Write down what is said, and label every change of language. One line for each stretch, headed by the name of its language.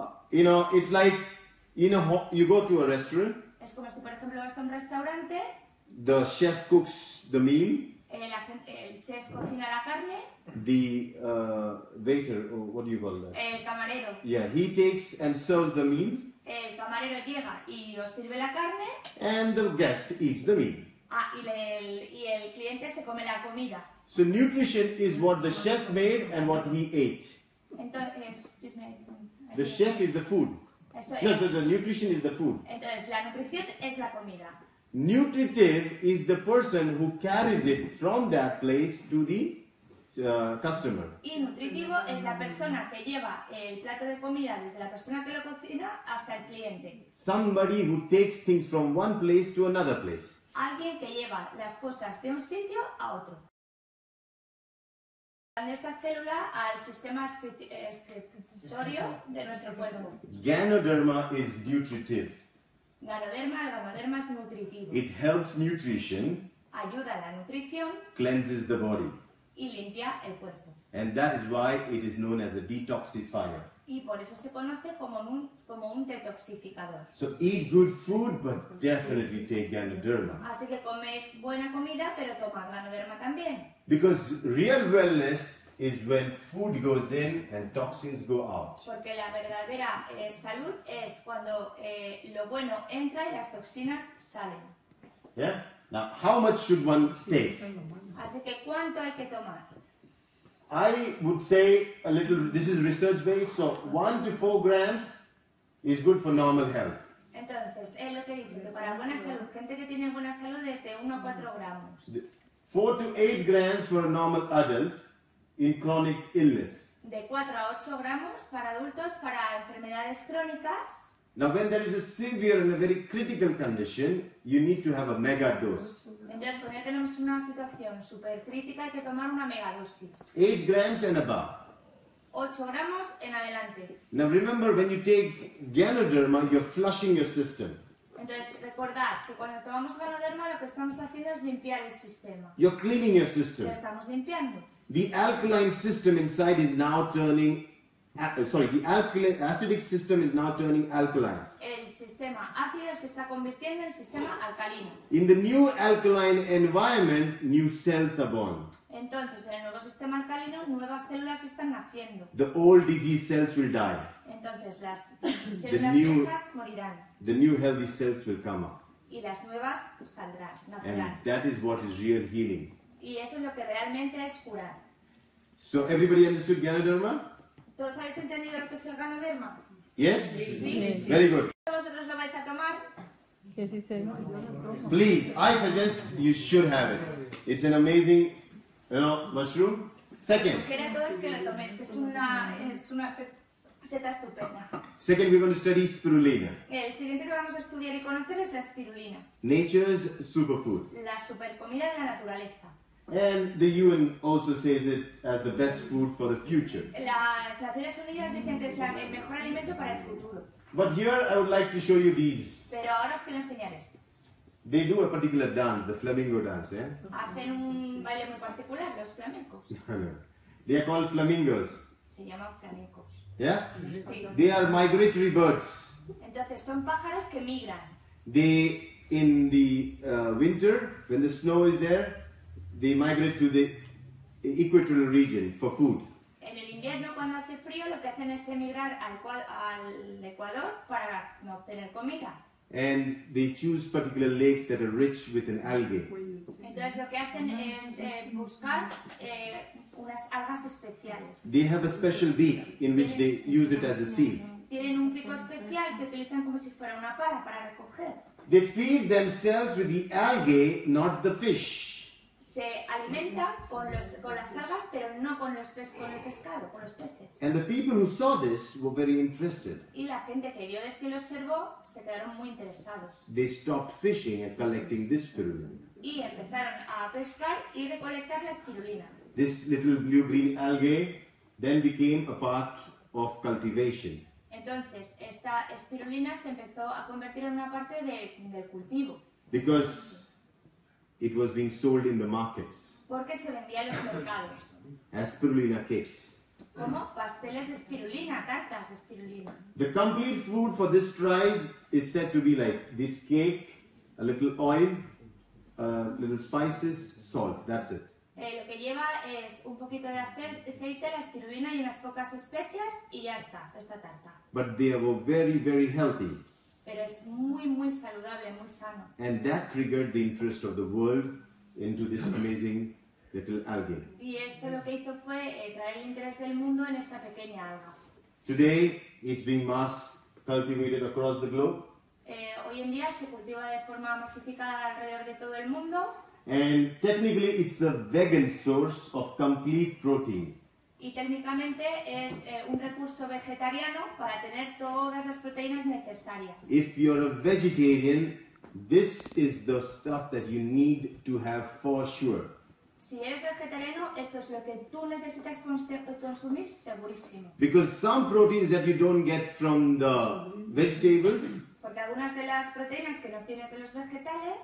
English: You know, it's like you go to a restaurant.
Spanish: Es como si, por ejemplo, vas a un restaurante.
English: The chef cooks the meal.
Spanish: El chef cocina la carne.
English: The waiter, or what do you call that?
Spanish: El camarero.
English: Yeah, he takes and serves the meal.
Spanish: El camarero llega y os sirve la carne.
English: And the guest eats the meal.
Spanish: Y el cliente se come la comida.
English: So nutrition is what the chef made and what he ate.
Spanish: Entonces,
English: the chef is the food. So the nutrition is the food.
Spanish: Entonces, la nutrición es la comida.
English: Nutritive is the person who carries it from that place to the customer.
Spanish: Y nutritivo es la persona que lleva el plato de comida desde la persona que lo cocina hasta el cliente.
English: Somebody who takes things from one place to another place.
Spanish: Alguien que lleva las cosas de un sitio a otro. De esa célula al sistema excretorio de nuestro cuerpo.
English: Ganoderma is nutritive.
Spanish: Ganoderma es nutritivo.
English: It helps nutrition.
Spanish: Ayuda a la nutrición.
English: Cleanses the body.
Spanish: Y limpia el cuerpo.
English: And that is why it is known as a detoxifier.
Spanish: Y por eso se conoce como un detoxificador.
English: So eat good food, but definitely take Ganoderma.
Spanish: Así que come buena comida, pero toma Ganoderma también.
English: Because real wellness is when food goes in and toxins go out.
Spanish: Porque la verdadera salud es cuando lo bueno entra y las toxinas salen.
English: Yeah? Now, how much should one take?
Spanish: Así que ¿cuánto hay que tomar?
English: I would say a little, this is research based, so 1 to 4 grams is good for normal health.
Spanish: Entonces, es lo que dice, que para buena salud, gente que tiene buena salud es de 1 a 4 gramos.
English: 4 to 8 grams for a normal adult in chronic illness.
Spanish: De 4 a 8 gramos para adultos para enfermedades crónicas.
English: Now when there is a severe and a very critical condition, you need to have a mega dose.
Spanish: Entonces, cuando ya tenemos una situación súper crítica, hay que tomar una megadosis.
English: 8 grams and above.
Spanish: 8 gramos en adelante.
English: Now remember, when you take Ganoderma, you're flushing your system.
Spanish: Entonces, recordad que cuando tomamos Ganoderma lo que estamos haciendo es limpiar el sistema.
English: You're cleaning your system.
Spanish: Lo estamos limpiando.
English: The alkaline system inside is now turning the alkaline acidic system is now turning alkaline.
Spanish: El sistema ácido se está convirtiendo en sistema alcalino.
English: In the new alkaline environment, new cells are born.
Spanish: Entonces, en el nuevo sistema alcalino, nuevas células están naciendo.
English: The old disease cells will die.
Spanish: Entonces, las células viejas morirán.
English: The new healthy cells will come up.
Spanish: Y las nuevas saldrán, nacerán.
English: And that is what is real healing.
Spanish: Y eso es lo que realmente es curar.
English: So everybody understood Ganoderma?
Spanish: ¿Todos habéis entendido lo que es el Ganoderma?
English: Yes?
Spanish: Sí.
English: Very good.
Spanish: ¿Vosotros lo vais a tomar?
English: Please, I suggest you should have it. It's an amazing, you know, mushroom. Second.
Spanish: Sugiero a todos que lo toméis, que es una seta estupenda.
English: Second, we're going to study spirulina.
Spanish: El siguiente que vamos a estudiar y conocer es la spirulina.
English: Nature's superfood.
Spanish: La supercomida de la naturaleza.
English: And the UN also says it as the best food for the future.
Spanish: Las Naciones Unidas dicen que es el mejor alimento para el futuro.
English: But here I would like to show you these.
Spanish: Pero ahora os quiero enseñar esto.
English: They do a particular dance, the flamingo dance, yeah?
Spanish: Hacen un baile muy particular, los flamencos.
English: They are called flamingos.
Spanish: Se llaman flamencos.
English: Yeah?
Spanish: Sí.
English: They are migratory birds.
Spanish: Entonces son pájaros que migran.
English: They, in the winter, when the snow is there, they migrate to the equatorial region for food.
Spanish: En el invierno, cuando hace frío, lo que hacen es emigrar al Ecuador para obtener comida.
English: And they choose particular lakes that are rich with an algae.
Spanish: Entonces lo que hacen es buscar unas algas especiales.
English: They have a special beak in which they use it as a sieve.
Spanish: Tienen un pico especial que utilizan como si fuera una pala para recoger.
English: They feed themselves with the algae, not the fish.
Spanish: Se alimenta con las algas, pero no con los con el pescado, con los peces.
English: And the people who saw this were very interested.
Spanish: Y la gente que vio esto y lo observó se quedaron muy interesados.
English: They stopped fishing and collecting this spirulina.
Spanish: Y empezaron a pescar y recolectar la spirulina.
English: This little blue-green algae then became a part of cultivation.
Spanish: Entonces esta spirulina se empezó a convertir en una parte del cultivo.
English: Because it was being sold in the markets.
Spanish: Porque se vendía en los mercados.
English: As spirulina cakes.
Spanish: ¿Cómo? Pasteles de spirulina, tartas de spirulina.
English: The complete food for this tribe is said to be like this cake, a little oil, a little spices, salt. That's it.
Spanish: Lo que lleva es un poquito de aceite, la spirulina y unas pocas especias y ya está, esta tarta.
English: But they were very, very healthy.
Spanish: Pero es muy, muy saludable, muy sano.
English: And that triggered the interest of the world into this amazing little algae.
Spanish: Y esto lo que hizo fue traer el interés del mundo en esta pequeña alga.
English: Today, it's being mass cultivated across the globe.
Spanish: Hoy en día se cultiva de forma masificada alrededor de todo el mundo.
English: And technically, it's a vegan source of complete protein.
Spanish: Y técnicamente es un recurso vegetariano para tener todas las proteínas necesarias.
English: If you're a vegetarian, this is the stuff that you need to have for sure.
Spanish: Si eres vegetariano, esto es lo que tú necesitas consumir segurísimo.
English: Because some proteins that you don't get from the vegetables.
Spanish: Porque algunas de las proteínas que no obtienes de los vegetales.